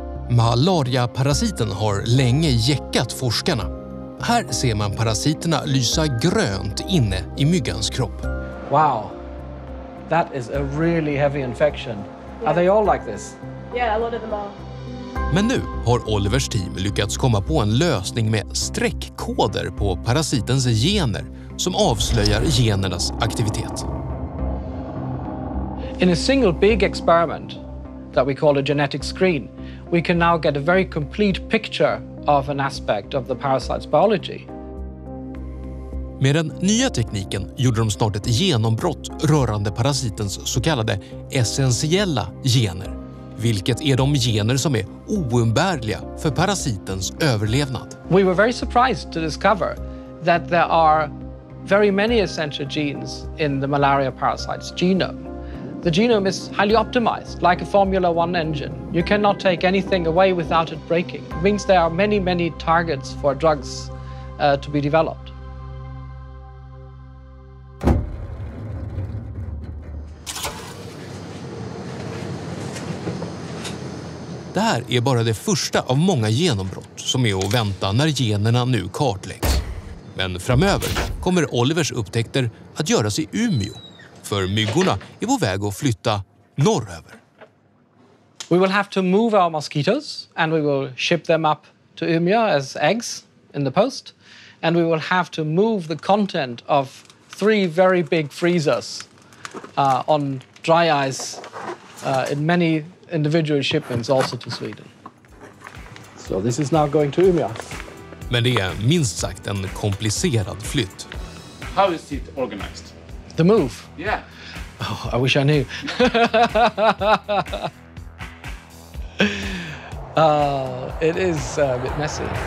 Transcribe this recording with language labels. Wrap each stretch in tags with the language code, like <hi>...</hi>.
<sv>Malariaparasiten har länge jäckat forskarna. Här ser man parasiterna lysa grönt inne i myggans kropp.</sv> <en>Wow, that is a really heavy infection. Are they all like this? Yeah, a lot of them are.</en> <sv>Men nu har Olivers team lyckats komma på en lösning med streckkoder på parasitens gener som avslöjar genernas aktivitet.</sv> <en>In a single big experiment that we call a genetic screen, we can now get a very complete picture of an aspect of the parasite's biology.</en> <sv>Med den nya tekniken gjorde de snart ett genombrott rörande parasitens så kallade essentiella gener, vilket är de gener som är oumbärliga för parasitens överlevnad.</sv> <en>We were very surprised to discover that there are very many essential genes in the malaria parasite's genome. The genome is highly optimized, like a Formula One engine. You cannot take anything away without it breaking. It means there are many, many targets for drugs to be developed.</en> <sv>Det här är bara det första av många genombrott som är att vänta när generna nu kartläggs. Men framöver kommer Olivers upptäckter att göras i Umeå, för myggorna är på väg att flytta norröver.</sv> <en>We will have to move our mosquitoes and we will ship them up to Umeå as eggs in the post, and we will have to move the content of three very big freezers on dry ice in many individual shipments also to Sweden. So this is now going to Umeå.</en> <sv>Men det är minst sagt en komplicerad flytt.</sv> <en>How is it organized? The move? Yeah. Oh, I wish I knew. it is a bit messy.</en>